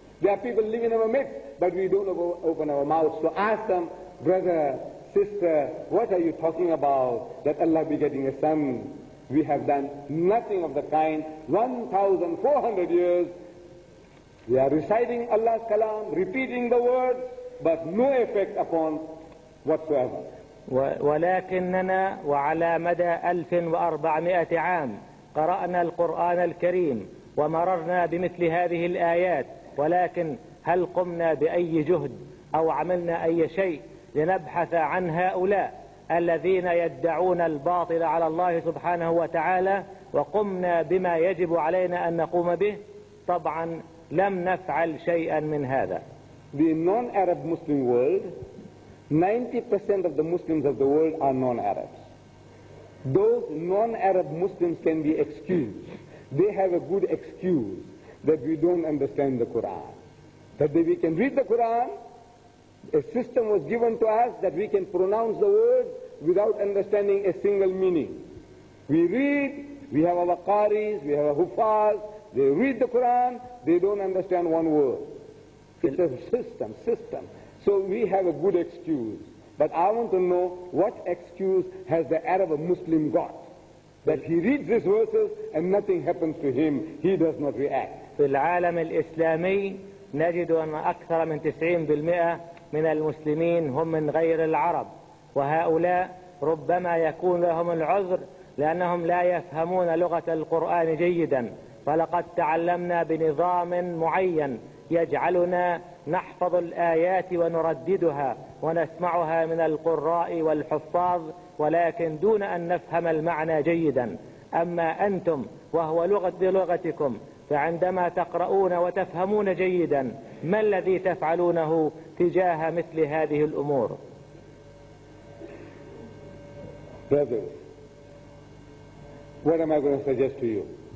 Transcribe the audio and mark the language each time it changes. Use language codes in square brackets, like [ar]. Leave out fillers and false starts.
[en] There are people living in our midst, but we don't open our mouths to ask them, brother, sister, what are you talking about that Allah begetting a son? We have done nothing of the kind. 1400 years, we are reciting Allah's kalam, repeating the words, but no effect upon whatsoever. [ar] ولكننا وعلى مدى 1400 عام قرأنا القرآن الكريم ومررنا بمثل هذه الآيات، ولكن هل قمنا بأي جهد أو عملنا أي شيء لنبحث عن هؤلاء الذين يدعون الباطل على الله سبحانه وتعالى وقمنا بما يجب علينا أن نقوم به؟ طبعا لم نفعل شيئا من هذا. [en] The non-Arab Muslim world, 90% of the Muslims of the world are non-Arabs. Those non-Arab Muslims can be excused. They have a good excuse that we don't understand the Quran. That we can read the Quran, a system was given to us that we can pronounce the words without understanding a single meaning. We read, we have our qaris, we have our huffaz, they read the Quran, they don't understand one word. It's a system. So we have a good excuse, but I want to know what excuse has the Arab Muslim got that he reads these verses and nothing happens to him, he does not react. [ar] في العالم الإسلامي نجد أن أكثر من 90% من المسلمين هم من غير العرب، وهؤلاء ربما يكون لهم العذر لأنهم لا يفهمون لغة القرآن جيدا، فلقد تعلمنا بنظام معين يجعلنا نحفظ الآيات ونرددها ونسمعها من القراء والحفاظ ولكن دون أن نفهم المعنى جيدا. أما أنتم وهو لغة بلغتكم فعندما تقرؤون وتفهمون جيدا ما الذي تفعلونه تجاه مثل هذه الأمور؟ [en] Brothers, what am I going to suggest to you?